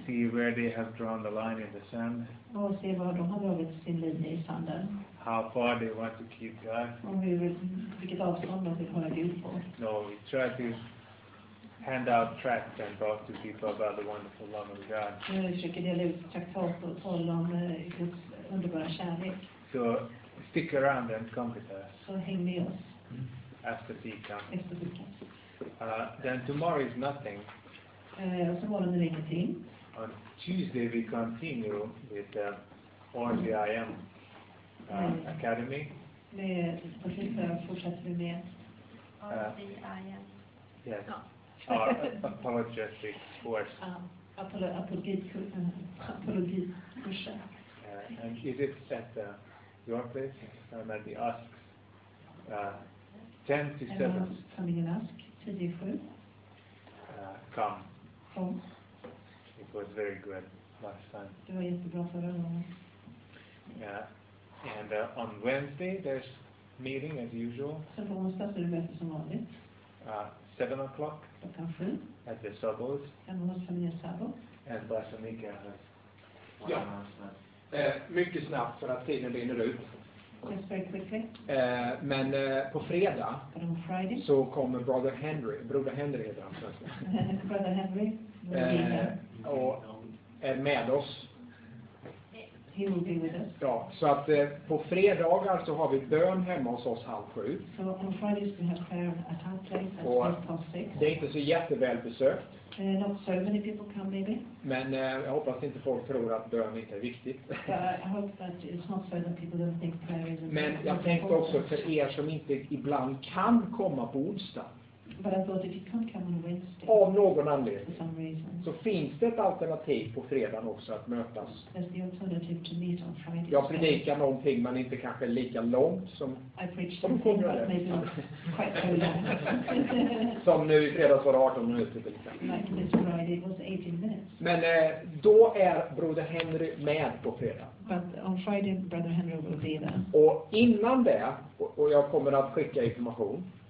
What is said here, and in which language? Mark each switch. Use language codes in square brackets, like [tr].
[en] See where they have drawn the line in the sand. [sv] Och se var de har dragit sin linje i sanden. [en] How far they want to keep God. [sv] Och hur vilket avstånd de vill hålla Gud på. [en] No, we try to hand out tracts and talk to people about the wonderful love of God. [sv] Vi försöker dela ut traktat och tala om Guds underbara kärlek. [en] So stick around and come with us. [sv] Så häng med oss. [en] After the camp. [sv] Efter [en] the camp. Then tomorrow is nothing. [sv] Och så morgonen är ingenting. [en] On Tuesday we continue with the RVIM Academy. [sv] På tisdag fortsätter vi med RVIM. [en] Yes. Our apologetic course. [sv] Apologetic kurs. [en] And is it at your place? I'm at the ASK. 10 to 7. Coming in ASK, 10 to 7. Come. It was very good last time. [sv] Det var jättebra förra gången. [en] Yeah, and on Wednesday there's meeting as usual. [sv] Så på onsdag är det möte som vanligt. [en] 7 o'clock. [sv] Klockan 7. [en] At the Sabos. [sv] Hemma hos familjen Sabo. [en] And Blessed Mika has. [sv] Ja, mycket snabbt för att tiden rinner ut. [en] Just very quickly. [sv] Men på fredag. [en] But on Friday. [sv] Så kommer Brother Henry. Broder Henry heter han. [en] Brother Henry. [sv] Och är med oss. [en] He will be with us. [sv] Ja, så att på fredagar så har vi bön hemma hos oss 6:30. [en] So on Fridays we have prayer at our place at 6:30. [sv] Det är inte så jätteväl besökt. [en] Not so many people come maybe. [sv] Men jag hoppas inte folk tror att bön inte är viktigt. [en] But I hope that it's not so that people don't think prayer isn't. [sv] Men jag tänkte också för er som inte ibland kan komma på onsdag. [en] But I thought if you can't come on Wednesday, [sv] av någon anledning, [en] for some reason, [sv] så finns det ett alternativ på fredagen också att mötas. [en] There's the alternative to meet on Friday. [sv] Jag predikar so någonting, men inte kanske lika långt som [en] I preached something, but maybe quite so long. [sv] Som nu i fredags var 18 minuter. [en] Like this Friday was 18 minutes. [sv] Men då är Broder Henry med på fredag. [en] But on Friday, Brother Henry will be there. [sv] Och innan det, och jag kommer att skicka information.